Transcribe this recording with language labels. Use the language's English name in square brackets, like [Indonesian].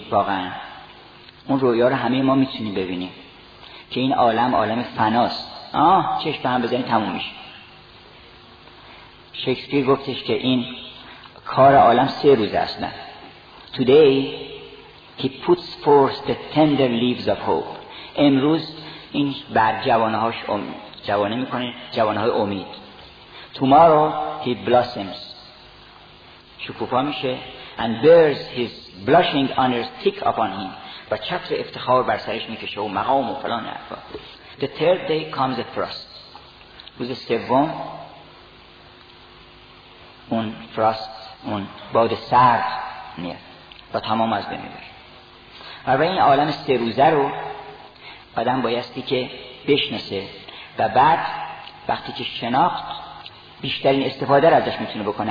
[Persian] واقعا اون رؤیا رو همه ما میتونیم ببینیم که این عالم عالم فناست. چشم به هم بزنی تموم میشه. شکسپیر گفتش که این کار عالم سه روز است. [English] Today he puts forth the tender leaves of hope. [Persian] امروز این بر جوانهاش جوانه میکنه، جوانهای امید. [English] Tomorrow he blossoms، [Persian] شکوفا میشه. [English] and bears his blushing honors thick upon him. [Persian] و چتر افتخار بر سرش میکشه و مقام و فلان حرفا. [English] The third day comes the frost. [Persian] روز سوم اون فراست، اون باد سرد میاد و تمام از بین میبره. و به این عالم سه روزه رو آدم بایستی که بشناسه و بعد وقتی که شناخت بیشترین استفاده رو ازش میتونه بکنه.